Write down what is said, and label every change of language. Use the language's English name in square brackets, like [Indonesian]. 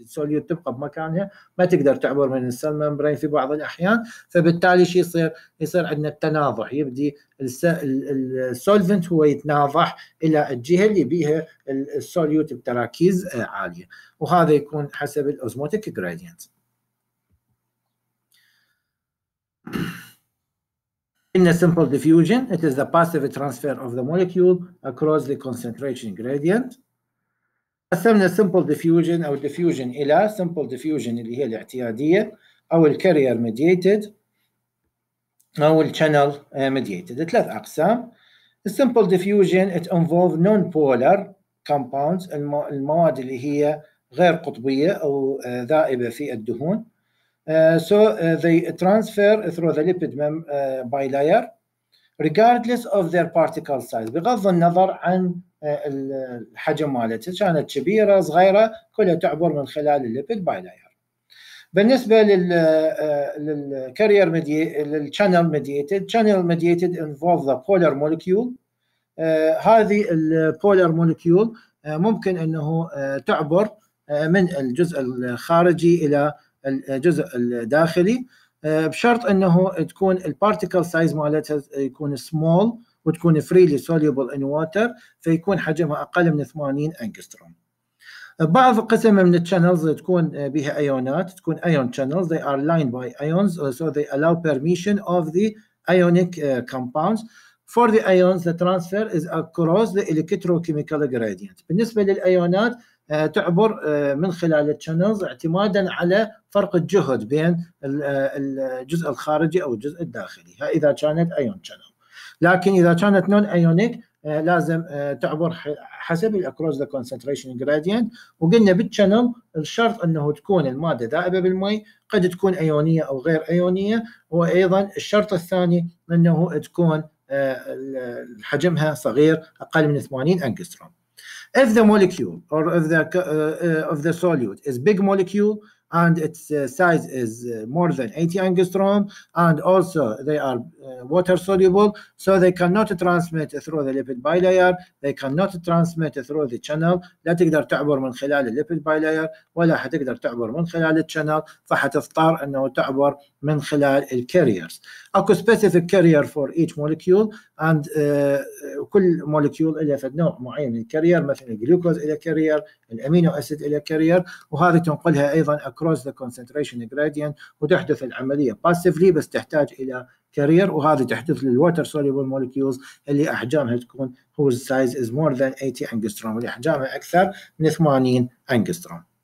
[Arabic] السوليوت تبقى بمكانها ما تقدر تعبر من السيل ممبرين في بعض الاحيان فبالتالي شي يصير عندنا التناضح يبدي السولفنت هو يتناضح الى الجهة اللي بيها السوليوت بتراكيز عالية وهذا يكون حسب الاوزموتيك جراديانت. [English] In a simple diffusion, it is the passive transfer of the molecule across the concentration gradient. [Arabic] قسمنا simple diffusion أو diffusion إلى simple diffusion اللي هي الاعتيادية أو carrier mediated أو channel mediated. ثلاث أقسام. [English] The simple diffusion it involves non-polar compounds [Arabic] المواد اللي هي غير قطبية أو ذائبة في الدهون. [English] So they transfer through the lipid by layer regardless of their particle size. [Arabic] بغض النظر عن الحجم مالتها، كانت كبيرة صغيرة، كلها تعبر من خلال الليبيد بايلاير. بالنسبة للكارير مدي للشانل ميديتد، شانل ميديتد [English] involve the polar molecule. [Arabic] هذه البولر مولكيول ممكن أنه تعبر من الجزء الخارجي إلى الجزء الداخلي، بشرط أنه تكون البارتيكل سايز مالتها يكون سمول وتكون فريلي سوليبل إن واتر، فيكون حجمها أقل من 80 أنجستروم. بعض قسم من التشانلز تكون بها أيونات، تكون أيون تشانلز، [English] they are lined by ions so they allow permission of the ionic compounds. For the ions, the transfer is across the electrochemical gradient. [Arabic] بالنسبة للأيونات تعبر من خلال التشانلز اعتماداً على فرق الجهد بين الجزء الخارجي أو الجزء الداخلي، إذا كانت أيون تشانل. لكن إذا كانت نون أيونيك لازم تعبر حسب [English] across the concentration gradient. [Arabic] وقلنا بالتشانل الشرط أنه تكون المادة ذائبة بالماء، قد تكون أيونية أو غير أيونية. وأيضاً الشرط الثاني أنه تكون حجمها صغير أقل من 80 أنجستروم. [English] If the molecule or of the solute is big molecule and its size is more than 80 angstrom and also they are water soluble, so they cannot transmit through the lipid bilayer, they cannot transmit through the channel. [Arabic] لا تقدر تعبر من خلال lipid bilayer ولا حتقدر تعبر من خلال channel، فحتضطر أنه تعبر من خلال carriers. أكو [English] specific carrier for each molecule and [Arabic] كل molecule إلى فد نوع معين من carrier، مثلا glucose إلى carrier، الأمينو أسيد إلى carrier، وهذه تنقلها أيضا [English] across the concentration gradient، [Arabic] وتحدث العملية passively بس تحتاج إلى carrier، وهذه تحدث لل [English] water soluble molecules [Arabic] اللي أحجامها تكون [English] whose size is more than 80 angstrom، [Arabic] اللي أحجامها أكثر من 80 angstrom.